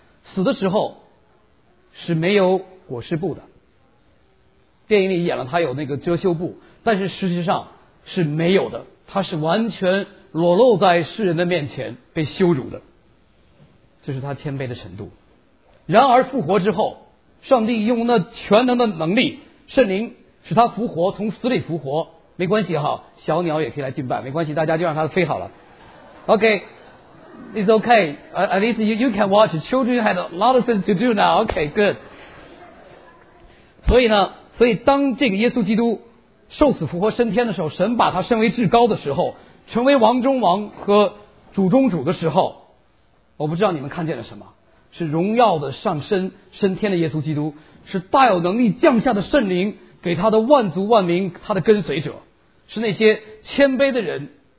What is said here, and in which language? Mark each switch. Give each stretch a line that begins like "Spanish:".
Chinese: 死的时候是没有裹尸布的，电影里演了他有那个遮羞布，但是实际上是没有的，他是完全裸露在世人的面前被羞辱的，这是他谦卑的程度。然而复活之后，上帝用那全能的能力，圣灵使他复活，从死里复活。没关系哈，小鸟也可以来敬拜，没关系，大家就让他飞好了。
English: OK, it's OK, at least you can watch, children had a lot of things to do now. OK, good.
Chinese: 所以当这个耶稣基督受死复活升天的时候，神把他升为至高的时候，成为王中王和主中主的时候，我不知道你们看见了什么，是荣耀的上升升天的耶稣基督，是大有能力降下的圣灵给他的万族万民他的跟随者，是那些谦卑的人